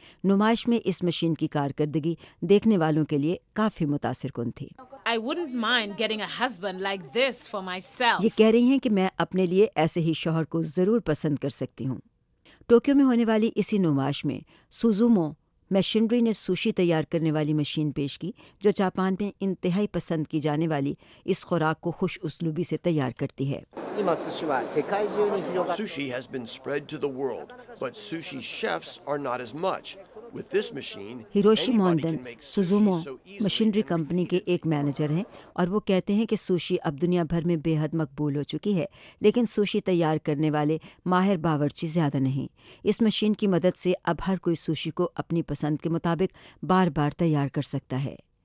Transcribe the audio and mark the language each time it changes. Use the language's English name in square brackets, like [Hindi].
[Urdu] نمائش میں اس مشین کی کارکردگی دیکھنے والوں کے لیے کافی متاثر کن تھی۔ یہ کہہ رہی ہیں کہ میں اپنے لیے ایسے ہی شوہر کو ضرور پسند کر سکتی ہوں۔ ٹوکیو میں ہونے والی اسی نمائش میں سوزومو مشینری نے سوشی تیار کرنے والی مشین پیش کی جو جاپان میں انتہائی پسند کی جانے والی اس خوراک کو خوش اسلوبی سے تیار کرتی ہے۔ [English] Sushi has been spread to the world, but sushi chefs are not as much. [Urdu] Hiroshi مونڈن سوزومو machinery company کے ایک مینیجر ہیں، اور وہ کہتے ہیں کہ سوشی اب دنیا بھر میں بے حد مقبول ہو چکی ہے، لیکن سوشی تیار کرنے والے ماہر باورچی زیادہ نہیں۔ اس مشین کی مدد سے اب ہر کوئی سوشی کو اپنی پسند کے مطابق بار بار تیار کر سکتا ہے۔